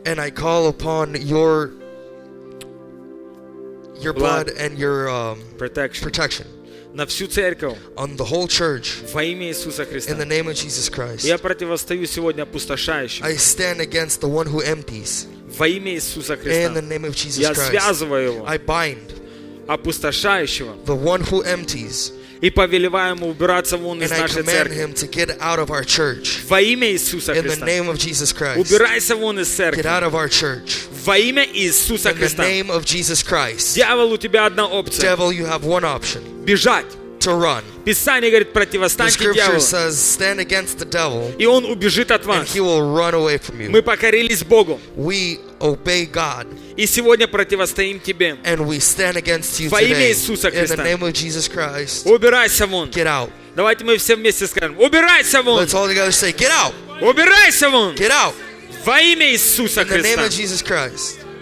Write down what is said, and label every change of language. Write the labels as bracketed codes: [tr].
[en] And I call upon your blood and your protection. [ru] на всю церковь, [en] on the whole church, [ru] во имя Иисуса Христа, [en] in the name of Jesus Christ. [ru] Я противостою сегодня опустошающим. [en] I stand against the one who empties. [ru] Во имя Иисуса Христа. [en] In the name of Jesus [ru] Я [en] Christ. [ru] Я связываю его. [en] I bind [ru] опустошающего. [en] The one who empties. [ru] И повелеваю ему убираться вон из нашей церкви. [en] And I command him to get out of our church. [ru] Во имя Иисуса Христа. [en] In the name of Jesus Christ. [ru] Убирайся вон из церкви. [en] Get out of our church. [ru] Во имя Иисуса Христа. [en] In the name of Jesus Christ. [ru] Дьявол, у тебя одна опция. [en] Devil, you have one option. [ru] Бежать. [en] To run. [ru] Писание говорит, противостаньте дьяволу. [en] The scripture says, stand against the devil. [ru] И он убежит от вас. [en] And he will run away from you. [ru] Мы покорились Богу. [en] We obey God. [ru] И сегодня противостоим тебе. [en] And we stand against you [ru] Во имя Иисуса Христа. [en] In the name of Jesus Christ. [ru] Убирайся вон. [en] Get out. [ru] Давайте мы все вместе скажем, убирайся вон. [en] Let's all together say, get out. [ru] Убирайся вон. [en] Get out. [ru] Во имя Иисуса Христа. [en] In the name of Jesus Christ.